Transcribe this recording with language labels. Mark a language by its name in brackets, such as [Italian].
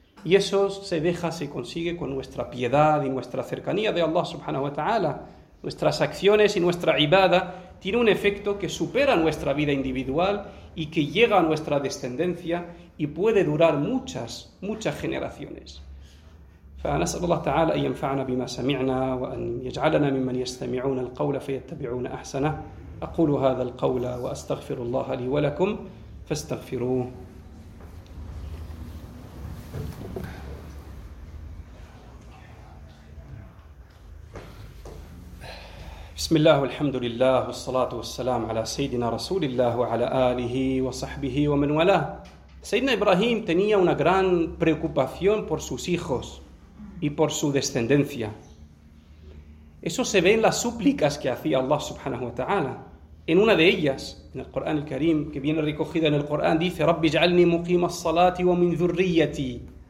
[Spanish] Y eso se deja, se consigue con nuestra piedad y nuestra cercanía de Allah [Arabic] subhanahu wa ta'ala. [Spanish] Nuestras acciones y nuestra ibada tiene un efecto que supera nuestra vida individual y que llega a nuestra descendencia y puede durar muchas, muchas generaciones. [Arabic] فنسأل الله تعالى أن ينفعنا بما سمعنا وأن يجعلنا ممن يستمعون القول فيتبعون أحسنه أقول هذا القول وأستغفر الله لي ولكم فاستغفروه بسم الله والحمد لله والصلاة والسلام على سيدنا رسول الله وعلى آله وصحبه ومن والاه. [Spanish] سيدنا إبراهيم tenía una gran preocupación por sus hijos y por su descendencia. Eso se ve en las súplicas que hacía Allah [Arabic] subhanahu wa ta'ala. [Spanish] En una de ellas, en el Corán el Karim, que viene recogida en el Corán, dice: [Arabic] Rabbi ja'alni muqima salati wa min dhurriyati.